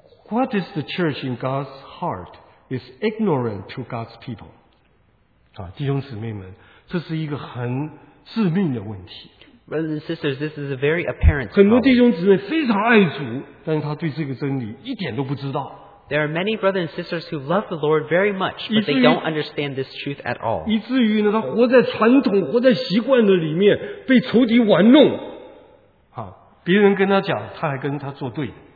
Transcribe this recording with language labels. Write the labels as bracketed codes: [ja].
[en] What is the church in God's heart is ignorant to God's people. [zh] 弟兄姊妹们，这是一个很致命的问题。 [en] Brothers and sisters, this is a very apparent problem. [zh] 很多弟兄姊妹非常爱主，但是他对这个真理一点都不知道。 [en] There are many brothers and sisters who love the Lord very much, but they don't understand this truth at all. [zh] 以至于呢，他活在传统、活在习惯的里面，被仇敌玩弄。好，别人跟他讲，他还跟他作对。